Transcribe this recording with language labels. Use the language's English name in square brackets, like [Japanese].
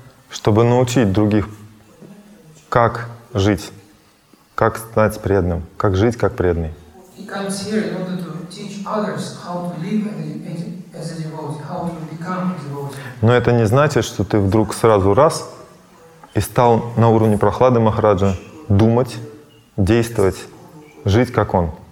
[Russian] Чтобы научить других, как жить, как стать преданным, как жить как преданный. [English] He comes here in order to teach others how to live as a devotee, how to become a devotee. [Russian] Но это не значит, что ты вдруг сразу раз и стал на уровне Прохлады Махараджа думать, действовать, жить как он.